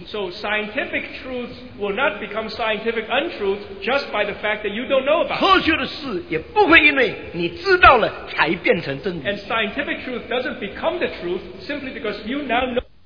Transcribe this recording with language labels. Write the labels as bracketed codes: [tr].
[en] So scientific truths will not become scientific untruths just by the fact that you don't know about it. [zh] 科学的事也不会因为你知道了才变成真理。 [en] And scientific truth doesn't become the truth simply because you now know.